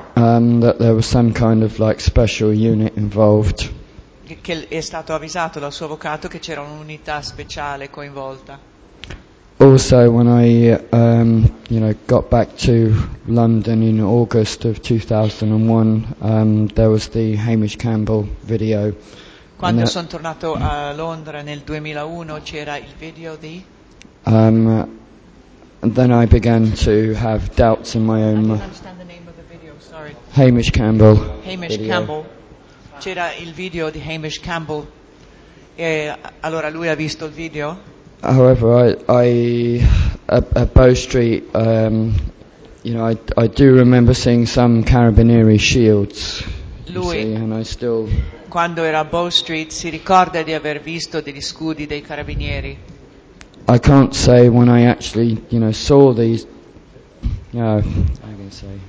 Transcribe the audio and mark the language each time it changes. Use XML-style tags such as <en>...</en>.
<en>That there was some kind of like special unit involved.</en> <it>Che è stato avvisato dal suo avvocato che c'era un'unità speciale coinvolta.</it> <en>Also, when I got back to London in August of 2001, there was the Hamish Campbell video.</en> <it>Quando sono tornato a Londra nel 2001 c'era il video di</it> <en>then I began to have doubts in my own. I didn't understand the name of the video, sorry. Hamish Campbell.</en> <it>Hamish Campbell. C'era il video di Hamish Campbell E allora lui ha visto il video?</it> <en>However, at Bow Street, you know, I do remember seeing some carabinieri shields.</en> <it>Lui,</it> <en>see, and I still...</en> <it>quando era a Bow Street, si ricorda di aver visto degli scudi dei carabinieri.</it> <en>I can't say when I actually, you know, saw these. No, I can say.</en>